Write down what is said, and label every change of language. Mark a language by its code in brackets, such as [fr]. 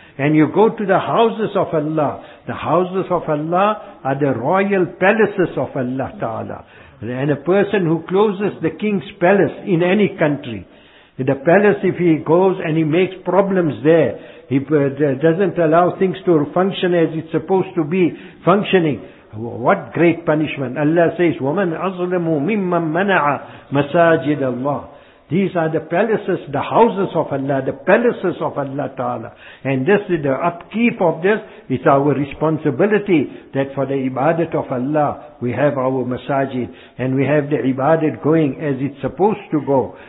[en] And you go to the houses of Allah. The houses of Allah are the royal palaces of Allah Ta'ala. And a person who closes the king's palace in any country, the palace, if he goes and he makes problems there, he doesn't allow things to function as it's supposed to be functioning. What great punishment. Allah says, [ar] وَمَنْ أَظْلَمُ مِمَّنْ مَنَعَ مَسَاجِدَ اللَّهِ. [en] These are the palaces, the houses of Allah, the palaces of Allah Ta'ala. And this is the upkeep of this. It's our responsibility that for the ibadat of Allah, we have our masajid and we have the ibadat going as it's supposed to go.